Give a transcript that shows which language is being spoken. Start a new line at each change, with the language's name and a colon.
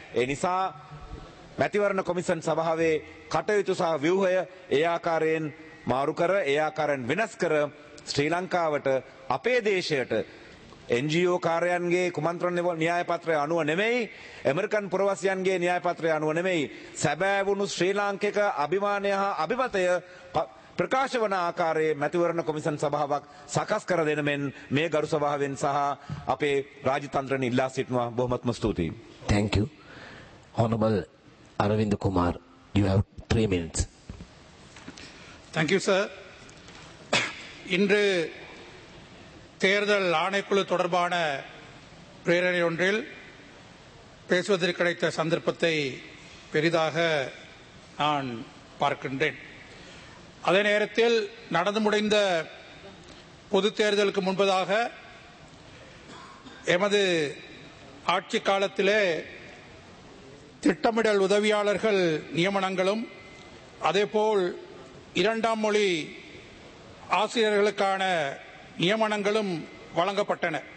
Sinhala: ඒ නිසා මැතිවරණ කොමිෂන් සභාවේ කටයුතු සහ ව්‍යුහය ඒ ආකාරයෙන් මාරු කර ඒ ආකාරයෙන් වෙනස් කර ශ්‍රී ලංකාවට අපේ දේශයට NGO කාර්යයන්ගේ කුමන්ත්‍රණ න්‍යායපත්‍රය අනුව නෙමෙයි, ඇමරිකන් පුරවැසියන්ගේ න්‍යායපත්‍රය අනුව නෙමෙයි, සැබෑවුණු ශ්‍රී ලාංකික අභිමානය හා අභිමතය ප්‍රකාශ වන ආකාරයේ මැතිවරණ කොමිෂන් සභාවක් සකස් කර දෙන මෙන් මේ ගරු සභාවෙන් සහ අපේ රාජතන්ත්‍රණ ඉල්ලා සිටිනවා. බොහොමත්ම ස්තුතියි.
English: Thank you. Honorable Aravind Kumar, you have 3 minutes. Thank you, sir.
Tamil: இன்று தேர்தல் ஆணைக்குழு தொடர்பான பிரேரணை ஒன்றில் பேசுவதற்கு கிடைத்த சந்தர்ப்பத்தை பெரிதாக நான் பார்க்கின்றேன். அதே நேரத்தில் நடந்து முடிந்த பொது தேர்தலுக்கு முன்பதாக எமது ஆட்சி காலத்திலே திட்டமிடல் உதவியாளர்கள் நியமனங்களும் அதேபோல் 2ம் மொழி ஆசிரியர்களுக்கான நியமனங்களும் வழங்கப்பட்டன.